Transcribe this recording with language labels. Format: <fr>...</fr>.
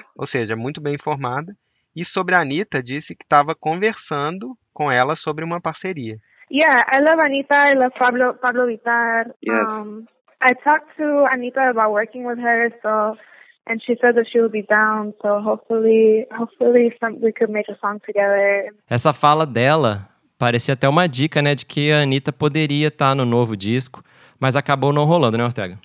<pt>Ou seja, muito bem informada. E sobre a Anitta, disse que estava conversando com ela sobre uma parceria.</pt> <en>Yeah, I love Anitta, I love Pabllo Vittar. Yes. I talked to Anitta about working with her, so, and she said that she would be down, so hopefully we could make a song together.</en> <pt>Essa fala dela parecia até uma dica, né, de que a Anitta poderia estar no novo disco, mas acabou não rolando, né, Ortega?</pt>